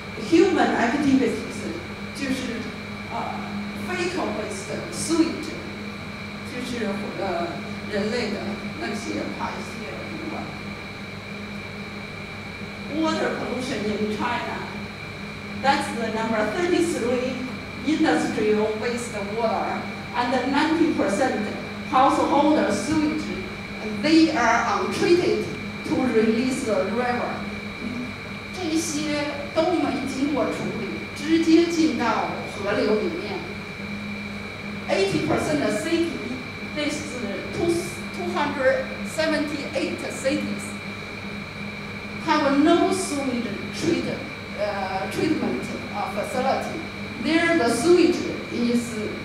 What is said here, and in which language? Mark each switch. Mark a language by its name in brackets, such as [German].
[English] Human activities 就是 fecal waste sewage [Chinese] 就是 人类的那些排泄 [English] Water pollution in China, that's the number 33 industrial waste water, and 90% household sewage, they are untreated to release the river. [Chinese] 这些都没经过处理，直接进到河流里面。 [English] 80% of city, this is 278 cities, have no sewage treatment facility. There the sewage is